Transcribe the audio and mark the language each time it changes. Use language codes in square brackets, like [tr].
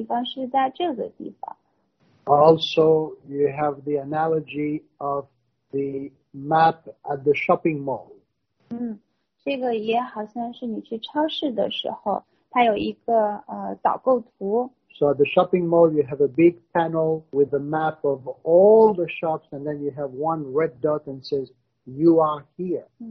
[zh] 你要看这个一张大的这个地图，有一个全局观，然后在这个大的环境里面，你再去找到你要找的那个小的这个地方，然后你就知道哦，原来这个小的地方是在这个地方。Also, [en] you have the analogy of the map at the shopping mall. [zh] 这个也好像是你去超市的时候，它有一个导购图。 [en] So at the shopping mall, you have a big panel with a map of all the shops, and then you have one red dot and says, you are here.